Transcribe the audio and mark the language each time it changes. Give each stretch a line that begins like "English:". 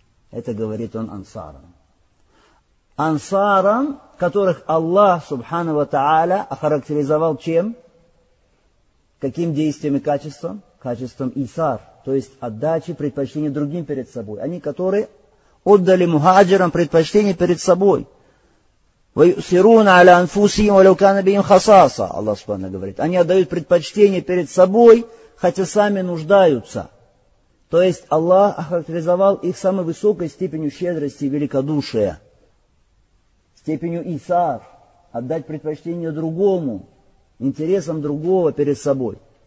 Russian: Это говорит он ансарам. Ансарам, которых Аллах субхана ва тааля охарактеризовал чем? Каким действием и качеством? Качеством исар, то есть отдачи предпочтения другим перед собой. Они, которые отдали мухаджирам предпочтение перед собой.
Arabic: وَيُؤْثِرُونَ عَلَى أَنفُسِهِمْ وَلَوْ كَانَ بِهِمْ خَصَاصَةٌ
Russian: Аллах Субхана говорит. Они отдают предпочтение перед собой, хотя сами нуждаются. То есть Аллах охарактеризовал их самой высокой степенью щедрости и великодушия. Степенью исар. Отдать предпочтение другому, интересам другого перед собой.